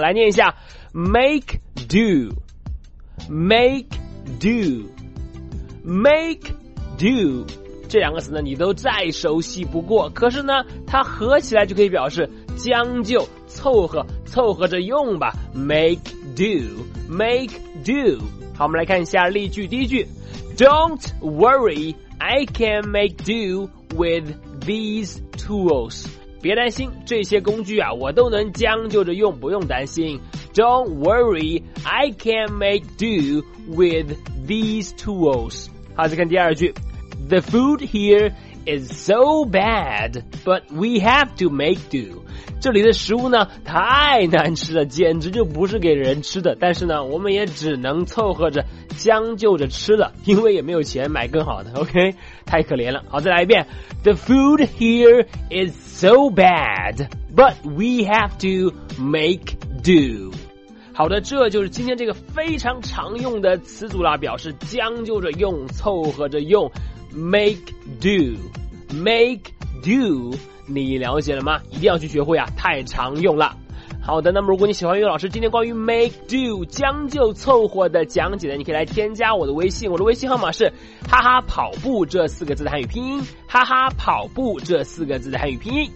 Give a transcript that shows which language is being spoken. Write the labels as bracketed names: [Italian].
[Chinese] 来念一下 make do make do make do， 这两个词呢你都再熟悉不过，可是呢它合起来就可以表示将就凑合，凑合着用吧。 make do make do。 好，我们来看一下例句。第一句， [English] Don't worry, I can make do with these tools. [Chinese] 别担心，这些工具啊，我都能将就着用，不用担心。 [English] Don't worry, I can make do with these tools. [Chinese] 好，再看第二句。 [English] The food here is so bad, but we have to make do. [Chinese] 这里的食物呢，太难吃了，简直就不是给人吃的，但是呢，我们也只能凑合着将就着吃了，因为也没有钱买更好的。 OK， 太可怜了。好，再来一遍。 [English] The food here is so bad, but we have to make do。 [Chinese] 好的，这就是今天这个非常常用的词组了，表示将就着用，凑合着用。 make do make do， 你了解了吗？一定要去学会啊，太常用了。好的，那么如果你喜欢岳老师今天关于 make do 将就凑合的讲解呢，你可以来添加我的微信，我的微信号码是哈哈跑步这四个字的汉语拼音，哈哈跑步这四个字的汉语拼音。